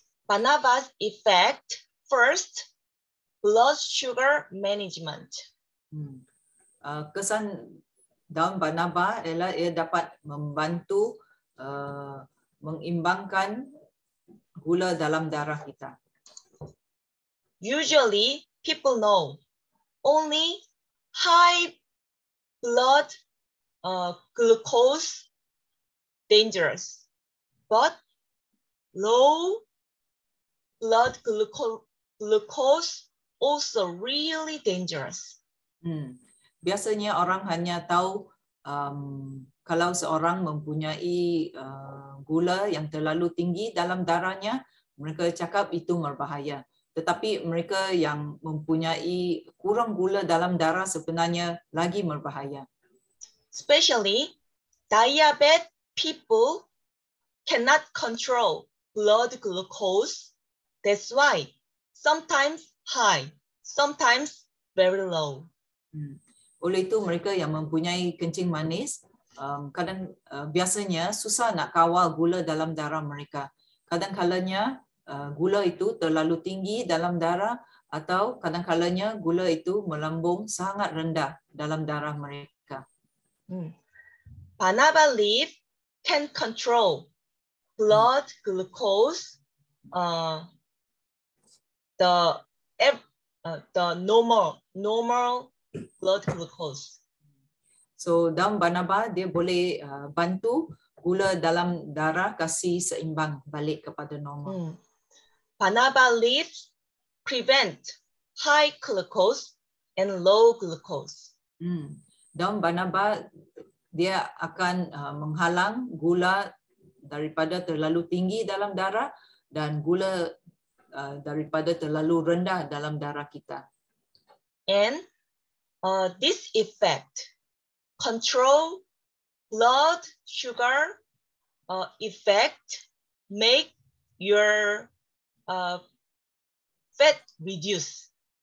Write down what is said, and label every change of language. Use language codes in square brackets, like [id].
[en] Banaba's effect, first, blood sugar management. [ms] Kesan daun banaba ialah ia dapat membantu mengimbangkan gula dalam darah kita. [en] Usually, people know only high blood glucose dangerous, but low blood glucose also really dangerous. [ms] Biasanya orang hanya tahu kalau seorang mempunyai gula yang terlalu tinggi dalam darahnya, mereka cakap itu berbahaya. Tetapi mereka yang mempunyai kurang gula dalam darah sebenarnya lagi berbahaya. [en] Especially, diabetic people cannot control blood glucose. That's why sometimes high, sometimes very low. [ms] Oleh itu, mereka yang mempunyai kencing manis, kadang biasanya susah nak kawal gula dalam darah mereka. kadangkalanya gula itu terlalu tinggi dalam darah atau kadangkalanya gula itu melambung sangat rendah dalam darah mereka. [en] Banaba leaf can control blood glucose, the normal blood glucose. [ms] So daun banaba dia boleh bantu gula dalam darah kasi seimbang balik kepada normal. [en] Banaba leaves prevent high glucose and low glucose. [ms] Daun banaba dia akan menghalang gula daripada terlalu tinggi dalam darah dan gula daripada terlalu rendah dalam darah kita. [en] And this effect control blood sugar effect make your fat reduce.